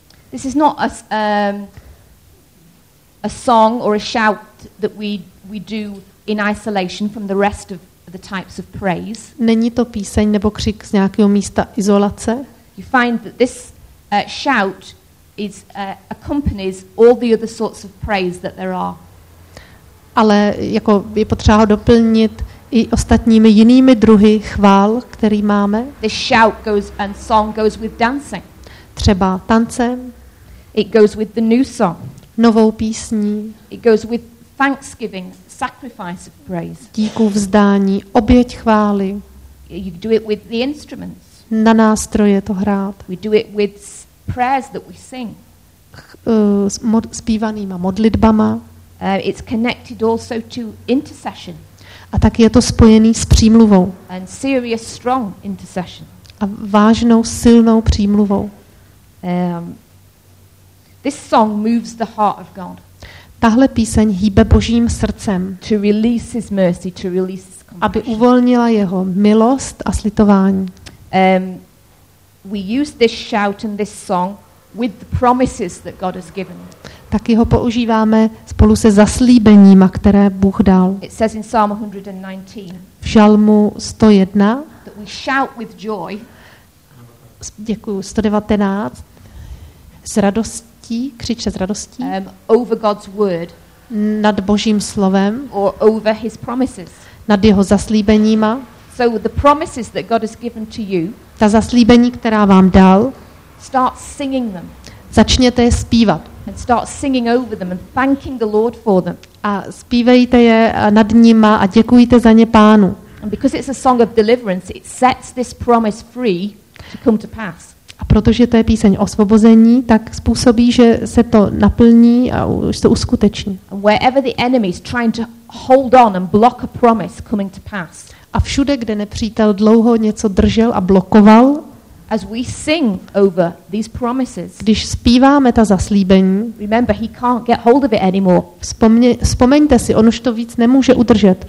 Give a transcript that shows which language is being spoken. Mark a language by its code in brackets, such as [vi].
[en] This is not a song or a shout that we do in isolation from the rest of the types of praise. [cs] Není to píseň nebo křik z nějakého místa izolace. [en] You find that this shout is accompanies all the other sorts of praise that there are. [cs] Ale jako je potřeba ho doplnit i ostatními jinými druhy chvál, který máme. [en] This shout goes and song goes with dancing. [cs] Třeba tancem. [en] It goes with the new song. [cs] Novou písní. [en] It goes with thanksgiving. Sacrifice of praise. [cs] Díku vzdání, oběť chvály. [en] You do it with the instruments. [cs] Na nástroje to hrát. [en] We do it with prayers that we sing. [cs] Zpívanýma modlitbama. [en] It's connected also to intercession. [cs] A tak je to spojený s přímluvou. [en] And serious, strong intercession. [cs] A vážnou, silnou přímluvou. [en] This song moves the heart of God. [cs] Tahle píseň hýbe Božím srdcem, [en] to release his mercy, to release his compassion. [cs] Aby uvolnila jeho milost a slitování. [en] We use this shout and this song with the promises that God has given. [cs] Taky ho používáme spolu se zaslíbeníma, které Bůh dal. [en] It says in Psalm 119. [cs] V žalmu 101. [en] That we shout with joy. [cs] Děkuju, 119. S radostí. Křiče s radostí. [en] Over God's word. [cs] Nad Božím slovem. [en] Or over his promises. [cs] Nad jeho zaslíbeníma. [en] So the promises that God has given to you. [cs] Ta zaslíbení, která vám dal. [en] Start singing them. [cs] Začněte je zpívat. [en] And start singing over them and thanking the Lord for them. [cs] A zpívejte je nad nima a děkujte za ně Pánu. [en] And because it's a song of deliverance, it sets this promise free to come to pass. [cs] A protože to je píseň osvobození, tak způsobí, že se to naplní a už se uskuteční. [en] Wherever the enemy is trying to hold on and block a promise coming to pass. [cs] A všude, kde nepřítel dlouho něco držel a blokoval, [en] as we sing over these promises. [cs] Když zpíváme ta zaslíbení, [en] remember he can't get hold of it anymore. [cs] Vzpomeňte si, on už to víc nemůže udržet.